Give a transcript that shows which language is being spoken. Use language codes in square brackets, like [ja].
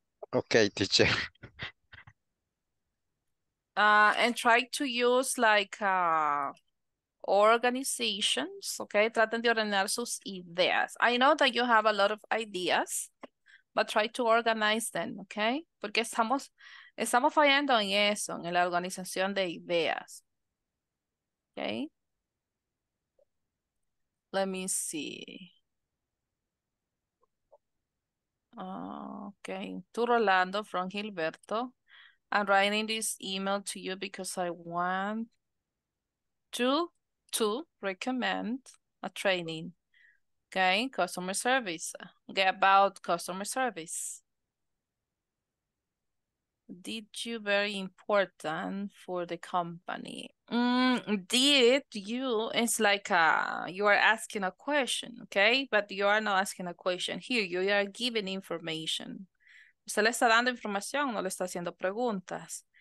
[en] Okay, teacher. And try to use like organizations, okay? [es] Traten de ordenar sus ideas. [en] I know that you have a lot of ideas, but try to organize them, okay? [es] Porque estamos fallando en eso, en la organización de ideas. [en] Okay? Let me see. Okay, to Rolando from Gilberto. I'm writing this email to you because I want to recommend a training, okay? Customer service, okay, about customer service. Did you very important for the company? Did you, it's like you are asking a question, okay? But you are not asking a question here, you are giving information. [es] Se le está dando información, no le está haciendo preguntas.